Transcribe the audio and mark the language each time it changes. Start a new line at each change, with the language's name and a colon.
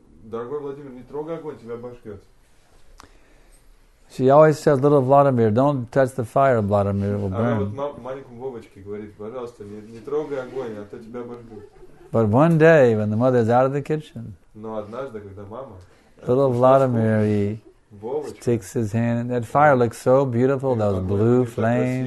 Russian: Дорогой Владимир, не трогай огонь, тебя обожжет.
English: She always says, little Vladimir, don't touch the fire, Vladimir, it will burn.
Russian: Она вот маленькому Вовочке говорит, пожалуйста, не трогай огонь, а то тебя обожгут.
English: But one day, when the mother is out of the kitchen,
Russian: но однажды, когда мама,
English: little Vladimir, he sticks his hand, and that fire looks so beautiful, those blue flames.